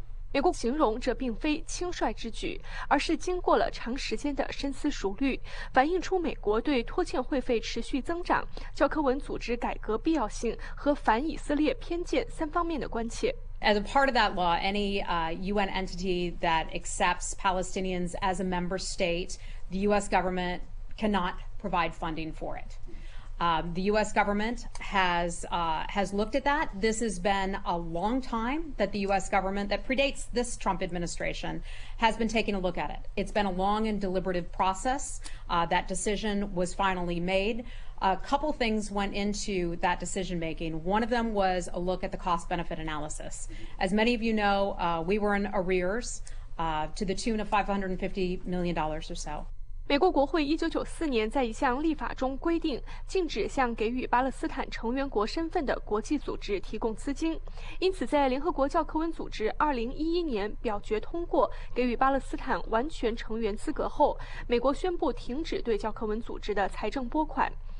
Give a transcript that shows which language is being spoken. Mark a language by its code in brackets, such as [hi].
[zh] 美国形容这并非轻率之举，而是经过了长时间的深思熟虑，反映出美国对拖欠会费持续增长、教科文组织改革必要性和反以色列偏见三方面的关切。 [en] As a part of that law, any UN entity that accepts Palestinians as a member state, the US government cannot provide funding for it. The U.S. government has looked at that. This has been a long time that the U.S. government, that predates this Trump administration, has been taking a look at it. It's been a long and deliberative process. That decision was finally made. A couple things went into that decision making. One of them was a look at the cost-benefit analysis. As many of you know, we were in arrears. to the tune of $550 million or so. [zh] 美国国会1994年在一项立法中规定，禁止向给予巴勒斯坦成员国身份的国际组织提供资金，因此在联合国教科文组织2011年表决通过给予巴勒斯坦完全成员资格后，美国宣布停止对教科文组织的财政拨款。